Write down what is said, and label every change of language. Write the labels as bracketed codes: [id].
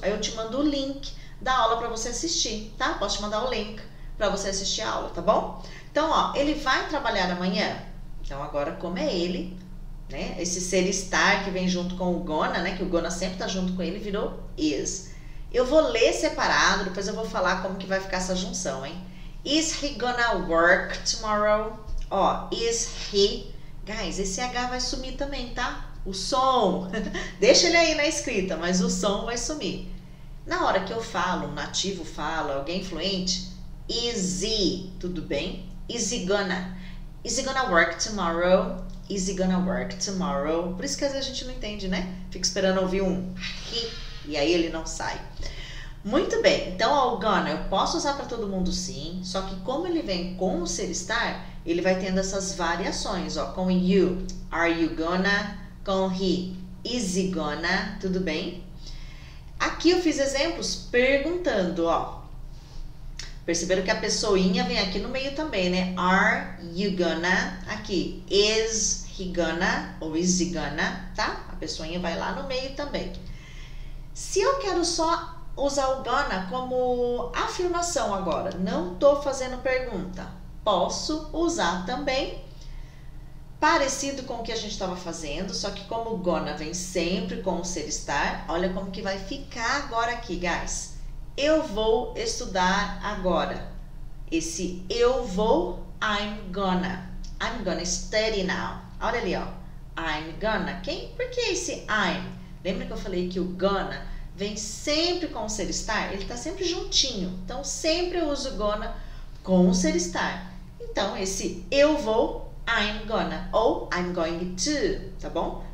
[pt] Aí eu te mando o link da aula para você assistir, tá? Posso te mandar o link para você assistir a aula, tá bom? Então, ó, ele vai trabalhar amanhã. Então, agora, como é ele, né? Esse ser estar que vem junto com o gonna, né? Que o gonna sempre tá junto com ele, virou is. Eu vou ler separado, depois eu vou falar como que vai ficar essa junção, hein? [en] Is he gonna work tomorrow? Ó, is he. [pt] Guys, esse H vai sumir também, tá? O som. Deixa ele aí na escrita, mas o som vai sumir. Na hora que eu falo, um nativo fala, alguém fluente, [en] is he, [pt] tudo bem? [en] Is he gonna work tomorrow? Is he gonna work tomorrow? [pt] Por isso que às vezes a gente não entende, né? Fica esperando ouvir um he e aí ele não sai. Muito bem, então ó, o gonna eu posso usar para todo mundo sim, só que como ele vem com o ser estar, ele vai tendo essas variações, ó, com you, [en] are you gonna, [pt] com he, [en] is he gonna, [pt] tudo bem? Aqui eu fiz exemplos perguntando, ó. Perceberam que a pessoinha vem aqui no meio também, né? [en] Are you gonna, [pt] aqui, [en] is he gonna ou is he gonna, [pt] tá? A pessoinha vai lá no meio também. Se eu quero só usar o gonna como afirmação agora. Não tô fazendo pergunta. Posso usar também parecido com o que a gente estava fazendo, só que como o gonna vem sempre com o ser estar, olha como que vai ficar agora aqui, guys. Eu vou estudar agora. Esse eu vou, [en] I'm gonna study now. [pt] Olha ali, ó. [en] I'm gonna. [pt] Quem? Por que esse I'm? Lembra que eu falei que o gonna vem sempre com o ser estar, ele está sempre juntinho. Então, sempre eu uso gonna com o ser estar. Então, esse eu vou, [en] I'm gonna, [pt] ou [en] I'm going to, [pt] tá bom?